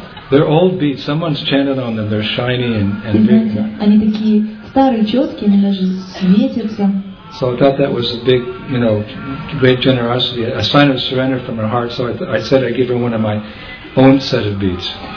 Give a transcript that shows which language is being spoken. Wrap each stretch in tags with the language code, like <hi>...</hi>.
<en>They're old beads. Someone's chanted on them. They're shiny and big.</en> <ru>Они такие старые четкие, они даже светятся.</ru> <en>So I thought that was a big, you know, great generosity, a sign of surrender from her heart. So I said I'd give her one of my own set of beads.</en>